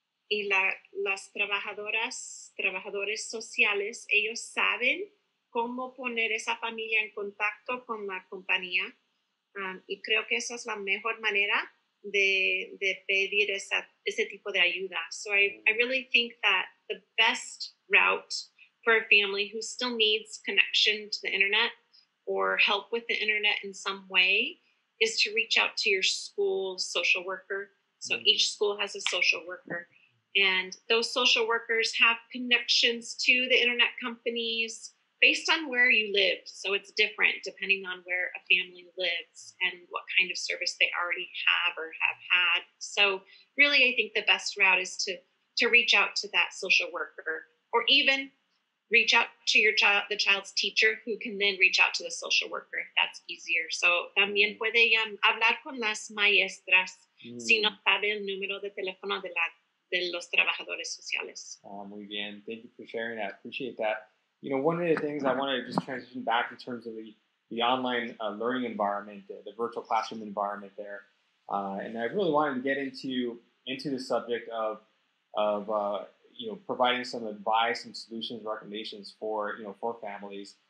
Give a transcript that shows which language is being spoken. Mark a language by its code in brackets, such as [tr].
[es] Y las trabajadoras, trabajadores sociales, ellos saben cómo poner esa familia en contacto con la compañía. Y creo que esa es la mejor manera de pedir ese tipo de ayuda. [en] So I really think that the best route for a family who still needs connection to the internet or help with the internet in some way is to reach out to your school's social worker. So each school has a social worker. And those social workers have connections to the internet companies based on where you live. So it's different depending on where a family lives and what kind of service they already have or have had. So really, I think the best route is to reach out to that social worker or even reach out to your child, the child's teacher, who can then reach out to the social worker if that's easier. [es] So también puede hablar con las maestras si no sabe el número de teléfono de los trabajadores sociales. Muy bien. [en] Thank you for sharing that. Appreciate that. You know, one of the things I want to just transition back in terms of the online learning environment, the virtual classroom environment there. And I really wanted to get into the subject of providing some advice and solutions, recommendations for families.